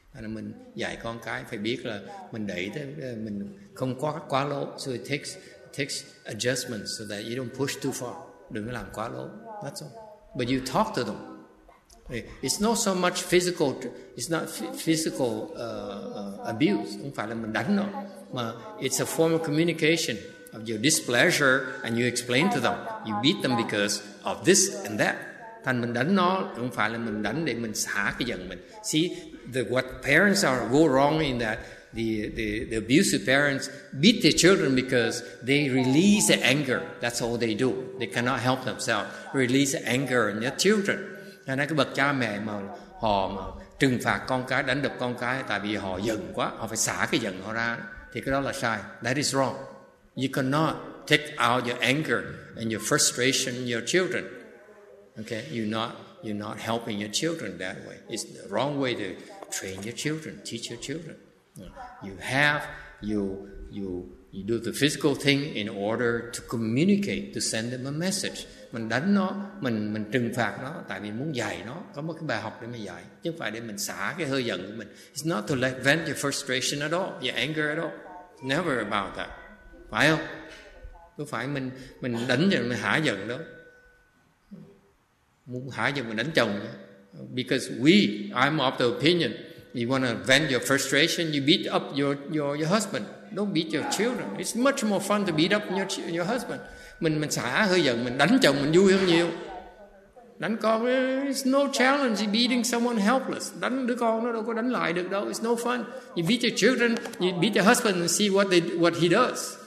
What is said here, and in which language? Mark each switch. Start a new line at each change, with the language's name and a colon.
Vietnamese: Nên mình dạy con cái phải biết là mình đẩy tới mình không quá lố.
English: So it takes adjustments so that you don't push too far.
Vietnamese: Đừng làm quá lố.
English: That's all. But you talk to them. It's not so much physical. It's not physical abuse.
Vietnamese: Không phải là mình đánh nó, mà
English: it's a form of communication of your displeasure, and you explain to them. You beat them because of this and that.
Vietnamese: Thành mình đánh nó không phải là mình đánh để mình xả cái giận mình.
English: See, what parents are go wrong in that the abusive parents beat their children because they release the anger. That's all they do. They cannot help themselves. Release the anger in their children.
Vietnamese: Nên cái bậc cha mẹ mà họ mà trừng phạt con cái, đánh đập con cái tại vì họ giận quá, họ phải xả cái giận họ ra, thì cái đó là sai.
English: That is wrong. You cannot take out your anger and your frustration in your children. Okay, you're not helping your children that way. It's the wrong way to train your children, teach your children. You do the physical thing in order to communicate, to send them a message.
Vietnamese: Mình đánh nó, mình trừng phạt nó tại vì muốn dạy nó, có một cái bài học để mình dạy, chứ không phải để mình xả cái hơi giận của mình.
English: It's not to let vent your frustration at all, your anger at all. Never about that.
Vietnamese: Phải không? Không phải mình đánh rồi mình hả giận đâu. Muốn hả giận mình đánh chồng.
English: Because I'm of the opinion, you want to vent your frustration, you beat up your husband. Don't beat your children. It's much more fun to beat up your husband.
Vietnamese: Mình xả hơi giận, mình đánh chồng mình vui hơn nhiều. Đánh con,
English: it's no challenge in beating someone helpless.
Vietnamese: Đánh đứa con nó đâu có đánh lại được đâu.
English: It's no fun. You beat your children, you beat your husband and see what he does.